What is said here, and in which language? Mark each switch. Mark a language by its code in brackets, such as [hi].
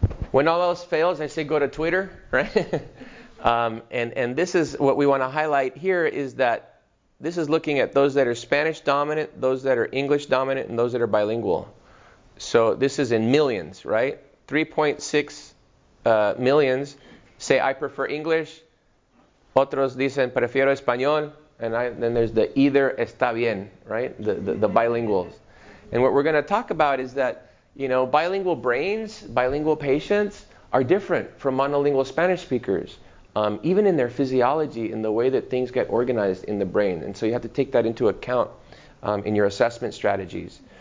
[en] When all else fails, I say go to Twitter, right? and this is what we want to highlight here, is that this is looking at those that are Spanish dominant, those that are English dominant, and those that are bilingual. So this is in millions, right? 3.6 millions say, I prefer English. [es] Otros dicen, prefiero español. [en] And then there's the either está bien, right? The bilinguals. And what we're going to talk about is that, you know, bilingual brains, bilingual patients are different from monolingual Spanish speakers. Even in their physiology, in the way that things get organized in the brain. And so you have to take that into account in your assessment strategies.